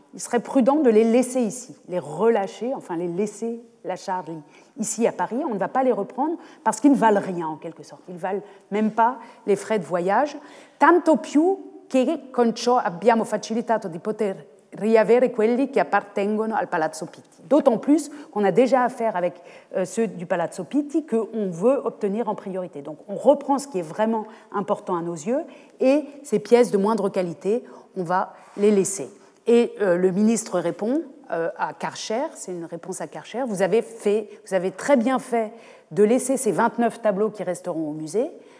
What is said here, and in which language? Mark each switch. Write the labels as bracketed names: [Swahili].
[French] Il serait prudent de les laisser ici, les relâcher, enfin les laisser la Charlie ici à Paris. On ne va pas les reprendre parce qu'ils ne valent rien en quelque sorte. Ils ne valent même pas les frais de voyage. [Italian] Tanto più che con ciò abbiamo facilitato di poter riavere quelli che appartengono al Palazzo Pitti. [French] D'autant plus qu'on a déjà affaire avec ceux du Palazzo Pitti qu'on veut obtenir en priorité. Donc on reprend ce qui est vraiment important à nos yeux et ces pièces de moindre qualité, on va les laisser. Et le ministre répond à Karcher, c'est une réponse à Karcher, vous avez très bien fait de laisser ces 29 tableaux qui resteront au musée,